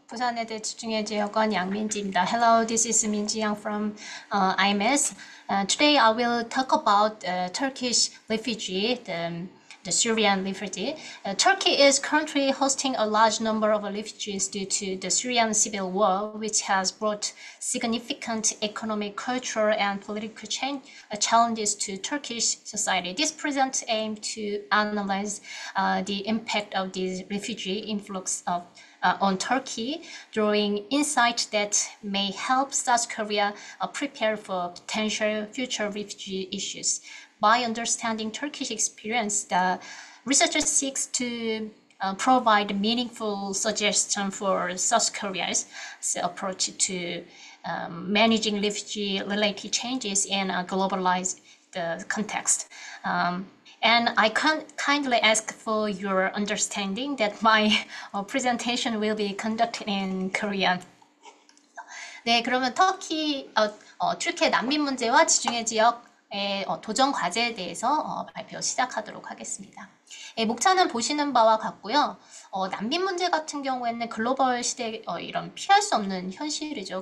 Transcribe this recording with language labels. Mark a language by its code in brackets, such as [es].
[ko] 부산에 대해 집중해 주역원 양민지입니다. [en] Hello, this is Minji Young from IMS. Today I will talk about Turkish refugee, the Syrian refugee. Turkey is currently hosting a large number of refugees due to the Syrian civil war, which has brought significant economic, cultural, and political challenges to Turkish society. This present aim to analyze the impact of this refugee influx of on Turkey, drawing insight that may help South Korea prepare for potential future refugee issues. By understanding Turkish experience, the researcher seeks to provide meaningful suggestion for South Korea's approach to managing refugee-related changes in a globalized context. And I can kindly ask for your understanding that my presentation will be conducted in Korean. [ko] 네, 그러면 터키의 난민 문제와 지중해 지역 도전 과제에 대해서 발표 시작하도록 하겠습니다. 목차는 보시는 바와 같고요. 난민 문제 같은 경우에는 글로벌 시대에 이런 피할 수 없는 현실이죠.